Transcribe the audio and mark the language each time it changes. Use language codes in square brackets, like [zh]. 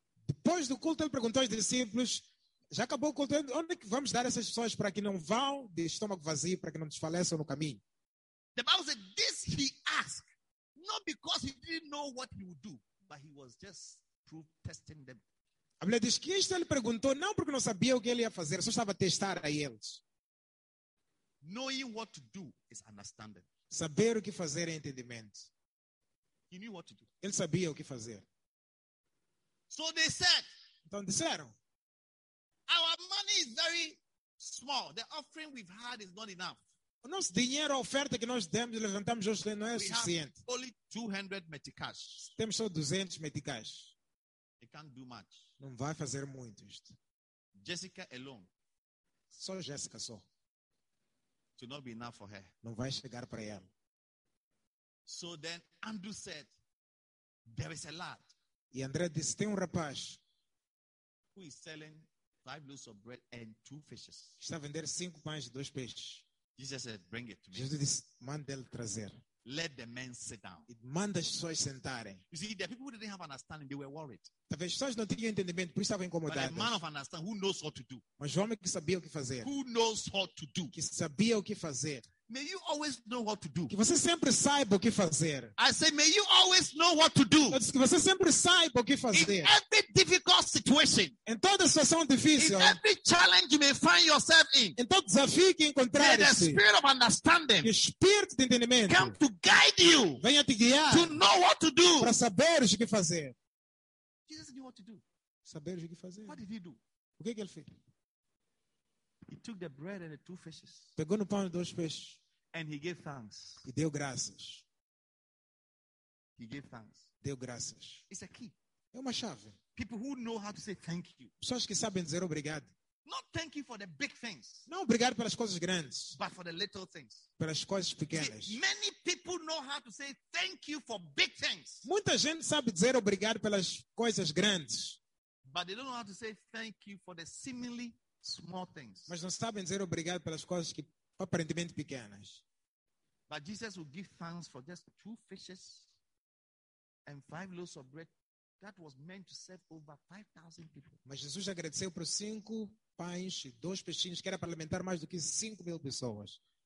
[pt] Depois do culto, ele perguntou aos discípulos, já acabou o culto, onde é que vamos dar essas pessoas para que não vão de estômago vazio, para que não desfaleçam no caminho? [en] The Bible said, this he asked, not because he didn't know what he would do, but he was just proof testing them. [pt] A Bíblia diz que isto ele perguntou, não porque não sabia o que ele ia fazer, só estava a testar a eles. [en] Knowing what to do is understanding. [pt] Saber o que fazer é entendimento. [en] He knew what to do. [pt] Ele sabia o que fazer. [en] So they said, [pt] então disseram, [en] our money is very small. The offering we've had is not enough. [pt] O nosso dinheiro, a oferta que nós demos, levantamos hoje, não é [en] we [pt] suficiente. [en] Have only 200 meticais. [pt] Temos só 200 meticais. [en] It can't do much. [pt] Não vai fazer muito isto. [en] Jessica alone. [pt] Só Jessica só. [en] It will not be enough for her. [pt] Não vai chegar para ela. [en] So then Andrew said, there is a lot. [pt] E André disse, tem um rapaz [en] who is selling 5 loaves of bread and 2 fishes. [pt] Está a vender 5 pães e 2 peixes. [en] Jesus said, bring it to me. [pt] Jesus disse, manda ele trazer. [en] Let the men sit down. [pt] E manda as pessoas sentarem. [en] You see, the people who didn't have understanding, they were worried. [pt] Talvez as pessoas não tinham entendimento, por isso estavam incomodadas. [en] But a man of understanding who knows what to do. [pt] Mas o homem que sabia o que fazer. [en] Who knows what to do. [pt] Que sabia o que fazer. [en] May you always know what to do. [pt] Que você sempre saiba o que fazer. [en] I say, may you always know what to do. [pt] Que você sempre saiba o que fazer. [en] In every difficult situation. [pt] Em toda situação difícil. [en] In every challenge you may find yourself in. [pt] Em todo desafio que encontrares. [en] May the spirit of understanding. [pt] Que o espírito de entendimento. [en] Come to guide you. [pt] Venha te guiar. [en] To know what to do. [pt] Para saber o que fazer. [en] Jesus knew what to do. [pt] Saber o que fazer. [en] What did he do? [pt] O que ele fez? [en] He took the bread and the 2 fishes. [pt] Pegou no pão e 2 peixes. [en] And he gave thanks. [pt] E deu graças. [en] He gave thanks. [pt] Deu graças. [en] It's a key. [pt] É uma chave. [en] People who know how to say thank you. [pt] Pessoas que sabem dizer obrigado. [en] Not thank you for the big things. [pt] Não obrigado pelas coisas grandes. [en] But for the little things. [pt] Pelas coisas pequenas. [en] See, many people know how to say thank you for big things. [pt] Muita gente sabe dizer obrigado pelas coisas grandes. [en] But they don't know how to say thank you for the seemingly small things. [pt] Mas não sabem dizer obrigado pelas coisas que aparentemente pequenas. [en] But Jesus would give thanks for just 2 fishes and 5 loaves of bread that was meant to serve over 5,000 people. [pt] Mas Jesus agradeceu por 5 pães e 2 peixinhos que era para alimentar mais do que 5,000 pessoas.